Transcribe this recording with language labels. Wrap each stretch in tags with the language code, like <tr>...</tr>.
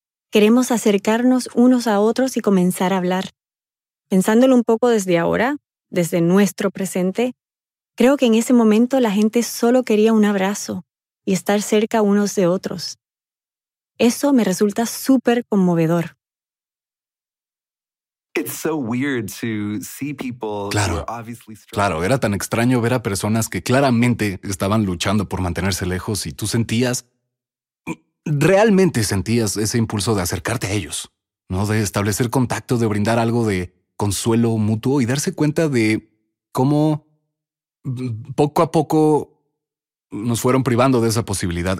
<es>Queremos acercarnos unos a otros y comenzar a hablar. Pensándolo un poco desde ahora, desde nuestro presente, creo que en ese momento la gente solo quería un abrazo y estar cerca unos de otros. Eso me resulta súper conmovedor.</es> <en>It's so weird to see people</en> <es>claro,</es> <en>who are obviously struggling.</en> <es>Claro, era tan extraño ver a personas que claramente estaban luchando por mantenerse lejos y tú sentías, realmente sentías ese impulso de acercarte a ellos, ¿no? De establecer contacto, de brindar algo de consuelo mutuo y darse cuenta de cómo poco a poco nos fueron privando de esa posibilidad.</es>